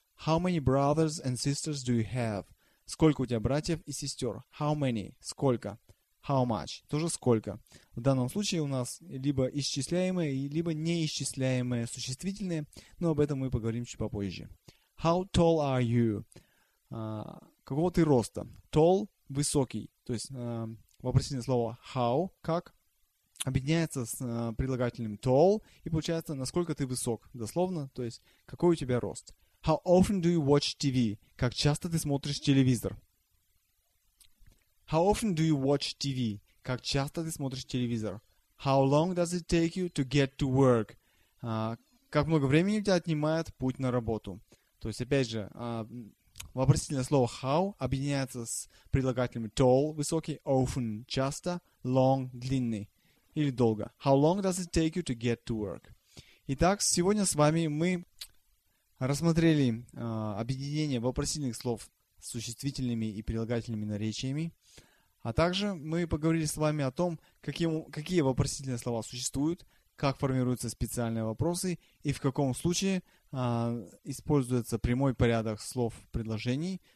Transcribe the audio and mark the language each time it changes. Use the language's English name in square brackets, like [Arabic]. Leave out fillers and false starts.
[English] How many brothers and sisters do you have? [Russian] Сколько у тебя братьев и сестер? [English] How many? [Russian] Сколько? [English] How much? [Russian] Тоже сколько. В данном случае у нас либо исчисляемые, либо неисчисляемые существительные, но об этом мы поговорим чуть попозже. [English] How tall are you? [Russian] Какого ты роста? Tall – высокий. То есть вопросительное слово how – как объединяется с прилагательным tall, и получается, насколько ты высок, дословно, то есть какой у тебя рост. [English] How often do you watch TV? [Russian] Как часто ты смотришь телевизор? [English] How often do you watch TV? [Russian] Как часто ты смотришь телевизор? [English] How long does it take you to get to work? [Russian] Как много времени у тебя отнимает путь на работу? То есть, опять же, вопросительное слово how объединяется с прилагательным tall, высокий, often, часто, long, длинный. Или долго. [English] How long does it take you to get to work? [Russian] Итак, сегодня с вами мы рассмотрели объединение вопросительных слов с существительными и прилагательными наречиями. А также мы поговорили с вами о том, какие вопросительные слова существуют, как формируются специальные вопросы и в каком случае используется прямой порядок слов в предложении.